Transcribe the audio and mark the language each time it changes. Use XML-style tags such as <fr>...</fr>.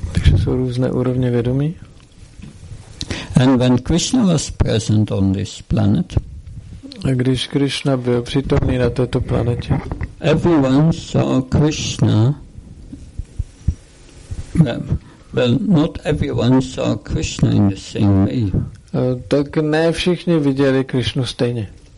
<cs>Takže jsou různé úrovně vědomí.</cs> <en>And when Krishna was present on this planet,</en> <cs>a když Krishna byl přítomný na této planetě,</cs> <en>everyone saw Krishna. Well, not everyone saw Krishna in the same way.</en> <cs>Tak ne všichni viděli Krishnu stejně.</cs>